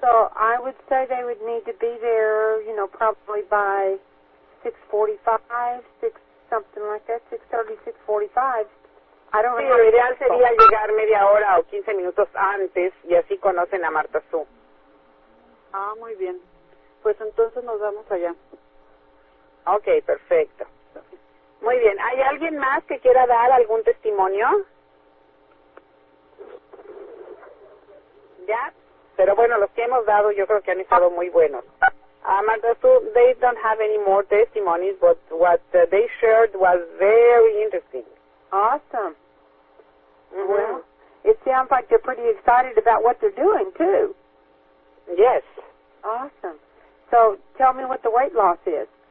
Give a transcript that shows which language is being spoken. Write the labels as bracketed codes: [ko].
[en] So, I would say they would need to be there, you know, probably by 6:45, 6 something like that, 6:30, 6:45. [es] Sí, lo ideal sería llegar media hora o 15 minutos antes y así conocen a Marta Su. Ah, muy bien. Pues entonces nos vamos allá. Okay, perfecto. Muy bien, ¿hay alguien más que quiera dar algún testimonio? ¿Ya? Pero bueno, los que hemos dado yo creo que han estado muy buenos. [en] Amanda, so they don't have any more testimonies, but what they shared was very interesting. Awesome. Mm-hmm. Well, it sounds like they're pretty excited about what they're doing, too. Yes. Awesome. So tell me what the weight loss is.